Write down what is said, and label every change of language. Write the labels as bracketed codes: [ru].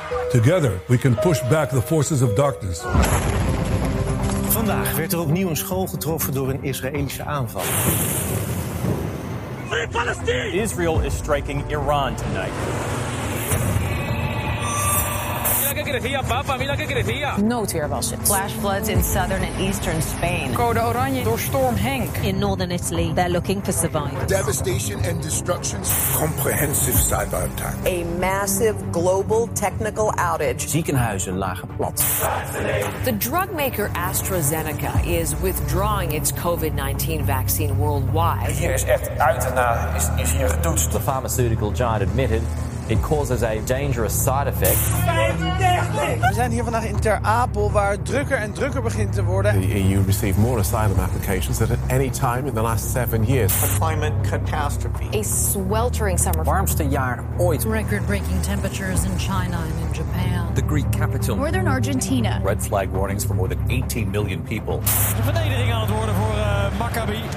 [en] Together, we can push back the forces of darkness. [nl] Vandaag werd er opnieuw een school getroffen door een Israëlische aanval. [en] Free Palestine! Israel is striking Iran tonight. [nl] Noodweer was het. [en] Flash floods in southern and eastern Spain. [nl] Code Oranje door Storm Henk. [en] In northern Italy, they're looking for survivors. Devastation and destruction. Comprehensive cyber attack. A massive global technical outage. [nl] Ziekenhuizen lagen plat. [en] The drug maker AstraZeneca is withdrawing its COVID-19 vaccine worldwide. [nl] Hier is echt uit en naar is hier getoetst. [en] The pharmaceutical giant admitted. It causes a dangerous side effect. [nl] We zijn hier vandaag in Ter Apel, waar het drukker en drukker begint te worden. [en] The EU received more asylum applications than at any time in the last 7 years. A climate catastrophe. A sweltering summer. [nl] Warmste jaar ooit. [en] Record-breaking temperatures in China and in Japan. The Greek capital. Northern Argentina. Red flag warnings for more than 18 million people. [nl] De verdediging aan het worden voor Maccabi.